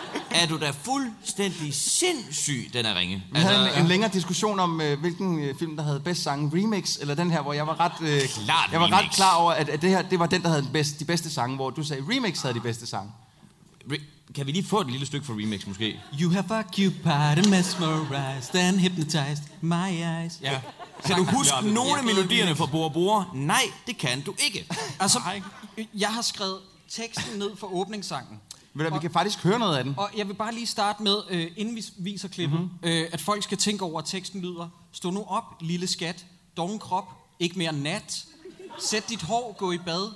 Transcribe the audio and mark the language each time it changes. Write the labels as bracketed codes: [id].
[da] Er du da fuldstændig sindssyg, den her ringe? Vi havde en længere diskussion om, hvilken film, der havde bedst sange. Remix, eller den her, hvor jeg var ret, ret klar over, at det her det var den, der havde de bedste sange, hvor du sagde, Remix havde de bedste sange. Kan vi lige få et lille stykke for Remix, måske? [en] You have occupied and mesmerized and hypnotized my eyes. [da] Ja. Kan du huske nogle af melodierne fra Bora Bora? Nej, det kan du ikke. Altså, jeg har skrevet teksten ned for åbningssangen. Vi kan faktisk høre noget af den. Og jeg vil bare lige starte med, inden vi viser klippet, at folk skal tænke over, at teksten lyder. Stå nu op, lille skat. Doven krop. Ikke mere nat. Sæt dit hår. Gå i bad.